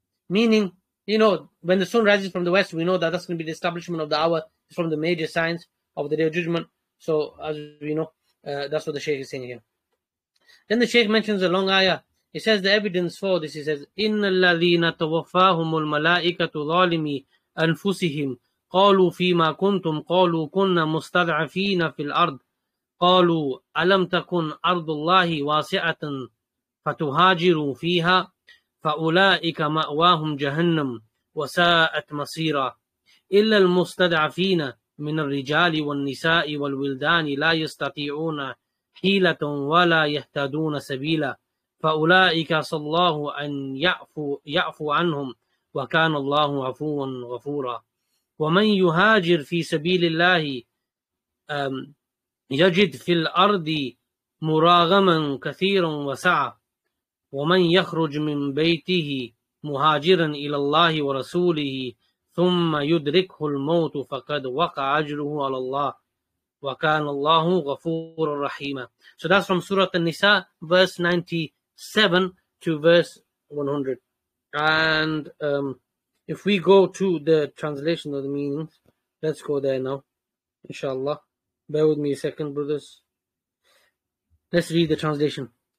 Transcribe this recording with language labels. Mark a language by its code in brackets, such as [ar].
[en] Meaning, when the sun rises from the west, we know that that's going to be the establishment of the hour. It's from the major signs of the Day of Judgment. So, as we know, that's what the Shaykh is saying here. Then the Shaykh mentions a long ayah. He says the evidence for this, he says, إِنَّ الَّذِينَ تَوَفَّاهُمُ الْمَلَائِكَةُ ظَالِمِي أَنفُسِهِمْ [ar] قالوا فيما كنتم قالوا كنا مستضعفين في الأرض قالوا ألم تكن أرض الله واسعة فتهاجروا فيها فأولئك مأواهم جهنم وساءت مصيرا إلا المستضعفين من الرجال والنساء والولدان لا يستطيعون حيلة ولا يهتدون سبيلا فأولئك صلى الله أن يعفو عنهم وكان الله عفوا غفورا ومن يهاجر في سبيل الله يجد في الأرض مراغما كثيرا وسعة ومن يخرج من بيته مهاجرا إلى الله ورسوله ثم يدركه الموت فقد وقع أجره على الله وكان الله غفورا رحيما. [en] So that's from Surah An-Nisa, verse 97 to verse 100. And if we go to the translation of the meanings, let's go there now, inshallah. Bear with me a second, brothers. Let's read the translation.